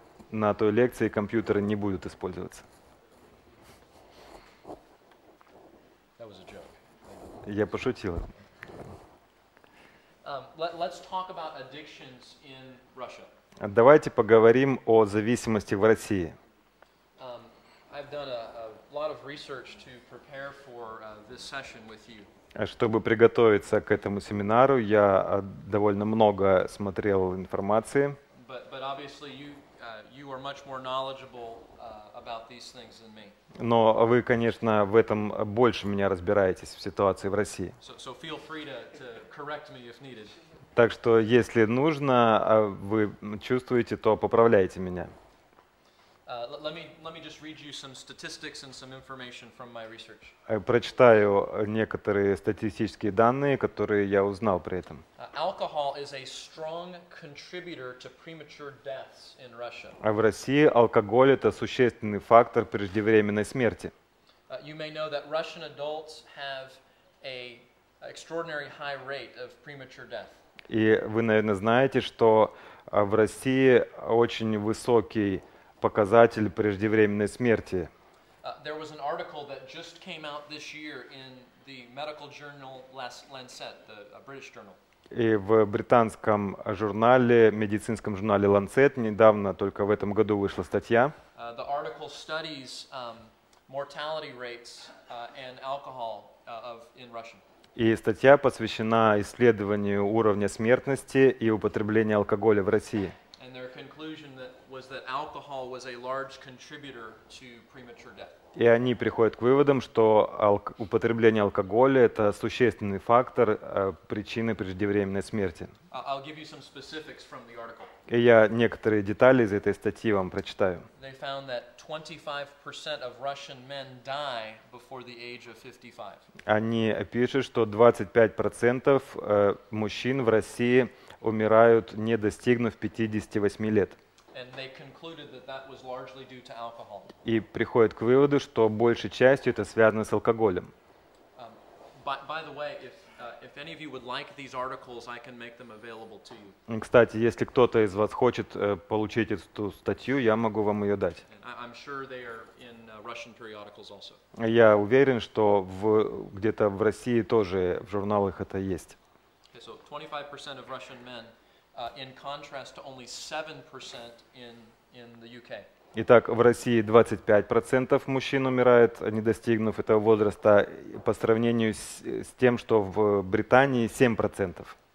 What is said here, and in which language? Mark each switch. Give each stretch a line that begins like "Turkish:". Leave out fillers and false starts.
Russian: На той лекции компьютеры не будут использоваться. Я пошутил.
English: Let's talk about addictions in Russia.
Russian: Давайте поговорим о зависимости в России.
English: I've done a lot of research to prepare for this session with you.
Russian: Чтобы приготовиться к этому семинару, я довольно много смотрел информации.
English: But obviously you are much more knowledgeable about these things than me.
Russian: Но вы, конечно, в этом больше меня разбираетесь в ситуации в России.
English: So feel free to correct me if needed.
Russian: Так что, если нужно, вы чувствуете, то поправляйте меня.
English: Let me just read you some statistics and some information from my research.
Russian: Прочитаю некоторые статистические данные, которые я узнал при этом.
English: Alcohol is a strong contributor to premature deaths in Russia.
Russian: А в России алкоголь это существенный фактор преждевременной смерти.
English: You may know that Russian adults have an extraordinary high rate of premature death.
Russian: И вы, наверное, знаете, что в России очень высокий показатель преждевременной смерти.
English: There was an article that just came out this year in the medical journal Lancet, the British journal.
Russian: И в британском журнале, медицинском журнале Lancet, недавно, только в этом году вышла статья.
English: The article studies mortality rates and alcohol in Russia.
Russian: И статья посвящена исследованию уровня смертности и употребления алкоголя в России.
English: And their conclusion was that alcohol was a large contributor to premature death.
Russian: И они приходят к выводам, что употребление алкоголя это существенный фактор причины преждевременной смерти.
English: I'll give you some specifics from the article.
Russian: И я некоторые детали из этой статьи вам прочитаю.
English: They found that 25% of Russian men die before the age of 55.
Russian: Они пишут, что 25% мужчин в России умирают, не достигнув 58 лет.
English: And they concluded that that was largely due to alcohol.
Russian: И приходят к выводу, что большей частью это связано с алкоголем.
English: By the way, if any of you would like these articles, I can make them available to you.
Russian: Кстати, если кто-то из вас хочет получить эту статью, я могу вам ее дать.
English: And I'm sure they are in Russian periodicals also.
Russian: Я уверен, что где-то в России тоже в журналах это есть.
English: Okay, so 25% of Russian men. In contrast to only 7% in the UK.
Russian: Итак, в России 25% мужчин умирает, не достигнув этого возраста, по сравнению с тем, что в Британии 7%.